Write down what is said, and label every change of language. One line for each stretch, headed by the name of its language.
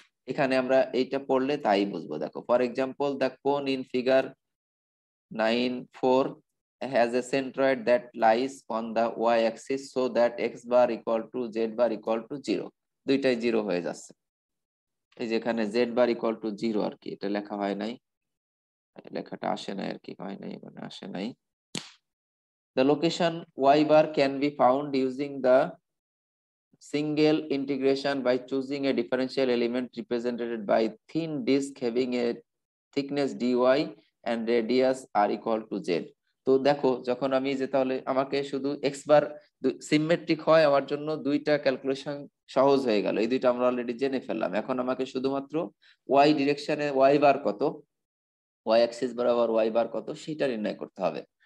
Bangla: এখানে আমরা এইটা পড়লে তাই বুঝবো, দেখো
English: for example the cone in figure 9.4 has a centroid that lies on the y axis so that x bar equal to z bar equal to zero,
Bangla: দুইটাই জিরো হয়ে যাচ্ছে, এই যে এখানে Z bar equal to zero আর কি এটা লেখা হয় নাই, লেখাটা আসে নাই আর কি, হয় নাই মানে আসে নাই।
English: The location y bar can be found using the single integration by choosing a differential element represented by thin disk having a thickness dy and radius r equal to z.
Bangla: তো দেখো যখন আমি যে তাহলে আমাকে শুধু x bar symmetric হয় আমার জন্য দুইটা calculation সহজ হয়ে গেল, এই দুইটা আমরা অলরেডি জেনে ফেললাম, এখন আমাকে শুধুমাত্র y direction এ y bar কত, y axis বরাবর y bar কত সেটা নির্ণয় করতে হবে।